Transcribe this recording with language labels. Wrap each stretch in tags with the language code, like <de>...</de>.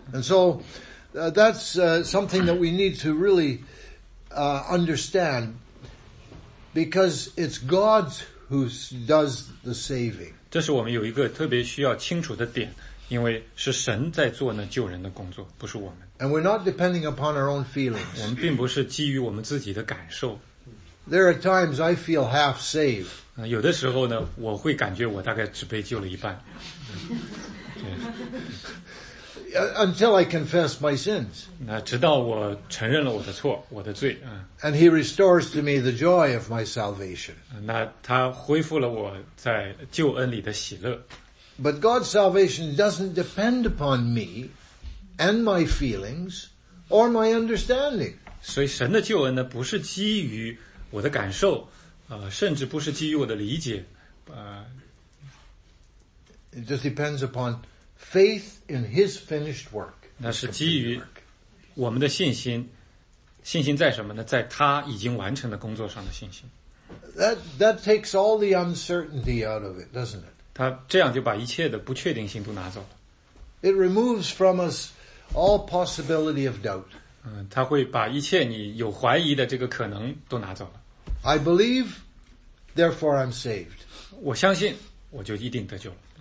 <en>And so, that's something that we need to really understand, because it's God who does the saving.</en> <zh>这是我们有一个特别需要清楚的点，因为是神在做那救人的工作，不是我们。</zh> <en>And we're not depending upon our own feelings.</en> <zh>我们并不是基于我们自己的感受。</zh> <en>There are times I feel half saved.</en> <zh>有的时候呢，我会感觉我大概只被救了一半。</zh> <en>Until I confess my sins.</en> <zh>那直到我承认了我的错，我的罪。</zh> <en>And he restores to me the joy of my salvation.</en> <zh>那他恢复了我在救恩里的喜乐。</zh> <en>But God's salvation doesn't depend upon me and my feelings or my understanding.</en> <zh>所以神的救恩呢，不是基于我的感受，甚至不是基于我的理解，</zh> <en>It just depends upon faith in His finished work.</en> <zh>那是基于我们的信心，信心在什么呢？在他已经完成的工作上的信心。</zh> <en>That takes all the uncertainty out of it, doesn't it?</en> <zh>他这样就把一切的不确定性都拿走了。</zh> <en>It removes from us all possibility of doubt.</en> <zh>他会把一切你有怀疑的这个可能都拿走了。</zh> <en>I believe, therefore I'm saved.</en> <zh>我相信，我就一定得救了。</zh>